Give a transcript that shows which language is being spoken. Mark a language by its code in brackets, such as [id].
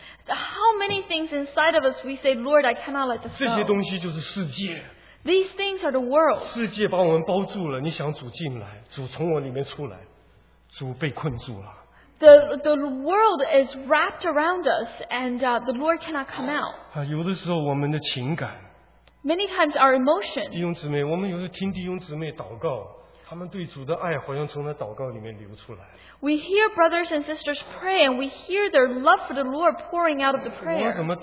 [en] How many things inside of us we say, Lord, I cannot let this go. [zh] 这些东西就是世界。 [en] These things are the world. [zh] 世界把我们包住了,你想主进来,主从我里面出来,主被困住了。 [en] The world is wrapped around us, and the Lord cannot come out. [zh] 有的时候我们的情感, [en] many times our emotion. [zh] 弟兄姊妹,我们有时听弟兄姊妹祷告, 他们对主的爱好像从那祷告里面流出来。 [en] We hear brothers and sisters pray, and we hear their love for the Lord pouring out of the prayer.